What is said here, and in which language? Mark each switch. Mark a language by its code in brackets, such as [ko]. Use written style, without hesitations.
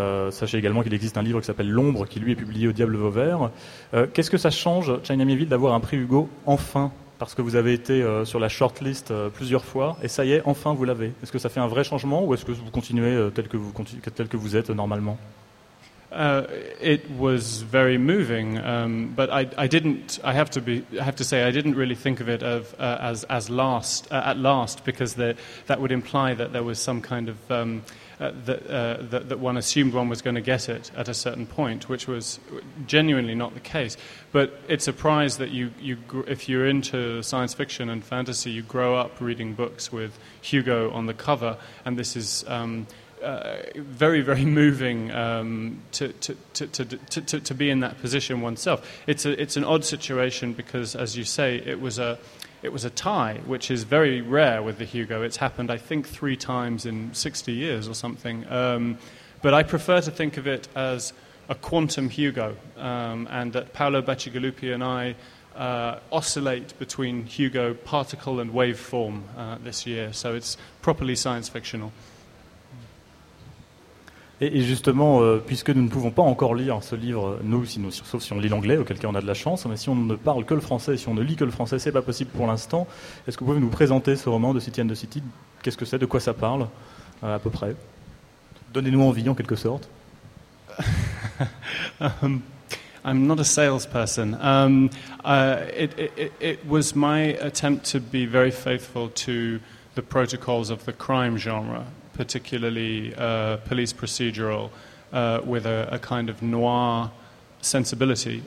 [fr] Sachez également qu'il existe un livre qui s'appelle L'Ombre, qui lui est publié au Diable Vauvert. Qu'est-ce que ça change, China Miéville, d'avoir un prix Hugo enfin ? Parce que vous avez été sur la shortlist plusieurs fois, et ça y est, enfin vous l'avez. Est-ce que ça fait un vrai changement, ou est-ce que vous continuez tel que vous êtes normalement? [en] It was very moving, but I didn't. I have to say, I didn't really think of it as last at last, because that would imply that there was some kind of that one assumed one was going to get it at a certain point, which was genuinely not the case. But it's a prize that if you're into science fiction and fantasy, you grow up reading books with Hugo on the cover, and this is. Very, very moving to be in that position oneself. It's an odd situation because, as you say, it was a tie, which is very rare with the Hugo. It's happened, I think, 3 times in 60 years or something. But I prefer to think of it as a quantum Hugo, and that Paolo Bacigalupi and I oscillate between Hugo particle and wave form this year. So it's properly science fictional. [fr] Et justement, puisque nous ne pouvons pas encore lire ce livre, sauf si on lit l'anglais, auquel cas on a de la chance, mais si on ne parle que le français, si on ne lit que le français, c'est pas possible pour l'instant. Est-ce que vous pouvez nous présenter ce roman de City and the City? Qu'est-ce que c'est? De quoi ça parle, à peu près? Donnez-nous envie, en quelque sorte. [en] I'm not a salesperson. It was my attempt to be very faithful to the protocols of the crime genre, particularly police procedural, with a kind of noir sensibility.